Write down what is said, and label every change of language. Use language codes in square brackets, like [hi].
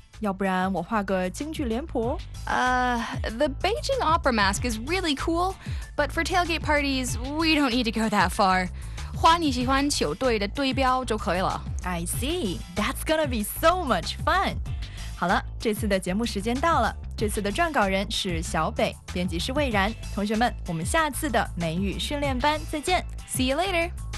[zh] 要不然我画个京剧脸谱？ [en] The Beijing opera mask is really cool, but for tailgate parties, we don't need to go that far. [zh] 画你喜欢球队的队标就可以了。 [en] I see. That's gonna be so much fun. [zh] 好了，这次的节目时间到了。这次的撰稿人是小北，编辑是魏然。同学们，我们下次的美语训练班再见。 [en] See you later.